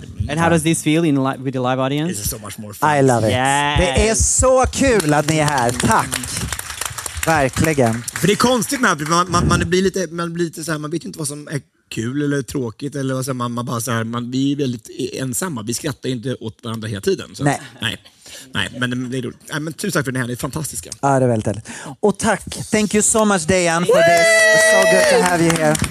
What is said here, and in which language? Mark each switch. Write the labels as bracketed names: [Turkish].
[English] And how does this feel in with the live audience? It's so much more fun. I love it. Yes. [Swedish] Det är så kul att ni är här. Tack. Verkligen. För det är konstigt med att man blir lite så här, man vet inte vad som är kul eller tråkigt eller vad säger man bara så här, vi är väldigt ensamma, vi skrattar inte åt varandra hela tiden, så nej men det är roligt. Nej, men tusen tack för det här, det är fantastiska. Ja, det är väldigt härligt. Och tack, [English] thank you so much Dejan for this, so good to have you here.